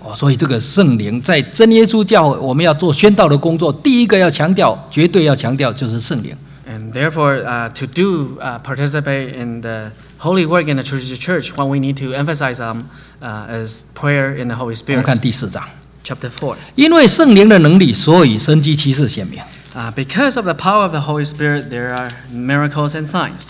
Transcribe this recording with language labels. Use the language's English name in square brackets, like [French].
[Chinese] 所以这个圣灵在真耶稣教会，我们要做宣道的工作，第一个要强调，绝对要强调就是圣灵。 [English] And therefore, to do participate in the holy work in the church, what we need to emphasize is prayer in the Holy Spirit. [Chinese] 我们看第四章 [English] ，Chapter Four. [Chinese] 因为圣灵的能力，所以神迹奇事显明。 [English] Because of the power of the Holy Spirit, there are miracles and signs.